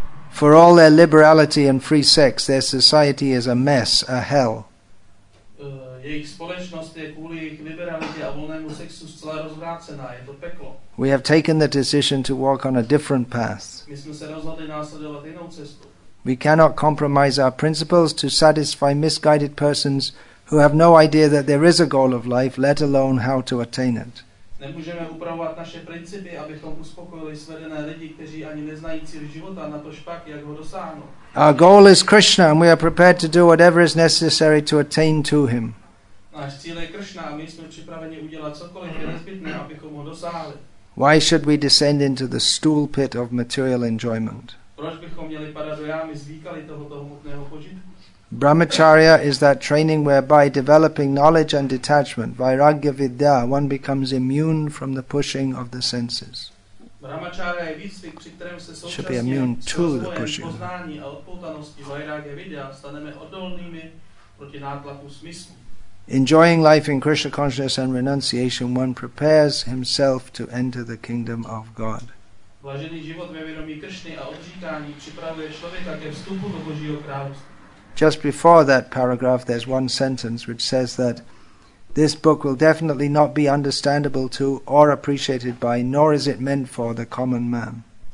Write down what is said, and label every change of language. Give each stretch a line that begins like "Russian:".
English: For all their liberality and free sex, their society is a mess, a hell.
Czech: Jejich společnost je kvůli jejich liberalitě a volnému sexu zcela rozvrácená. Je to peklo.
English: We have taken the decision to walk on a different path.
Czech: My jsme se rozhodli následovat jinou cestu.
English: We cannot compromise our principles to satisfy misguided persons who have no idea that there is a goal of life, let alone how to attain it.
Czech: Nemůžeme upravovat naše principy, abychom uspokojili svedené lidi, kteří ani neznají cíl života, na to špak, jak ho dosáhnout.
English: Our goal is Krishna, and we are prepared to do whatever is necessary to attain to him.
Czech: Náš cíl je Krishna, a my jsme připraveni udělat cokoliv je nezbytné, abychom ho dosáhli.
English: Why should we descend into the stool pit of material enjoyment?
Czech: Proč bychom měli padat do jámy zvíkali tohoto hmotného požitku?
English: Brahmacharya is that training whereby developing knowledge and detachment, vairagya vidya, one becomes immune from the pushing of the senses.
Czech: Brahmacharya je výcvik, při kterém se současně
English: should be immune to the pushing.
Czech: Poznání a odpoutanosti vairagya vidya staneme odolnými proti nátlaku smyslu.
English: Enjoying life in Krishna consciousness and renunciation, one prepares himself to enter the kingdom of God.
Czech: Vlažený život ve vědomí Kršny a odříkání připravuje člověka ke vstupu do Božího království.
English: Just before that paragraph, there's one sentence which says that this book will definitely not be understandable to or appreciated by, nor is it meant for the common man.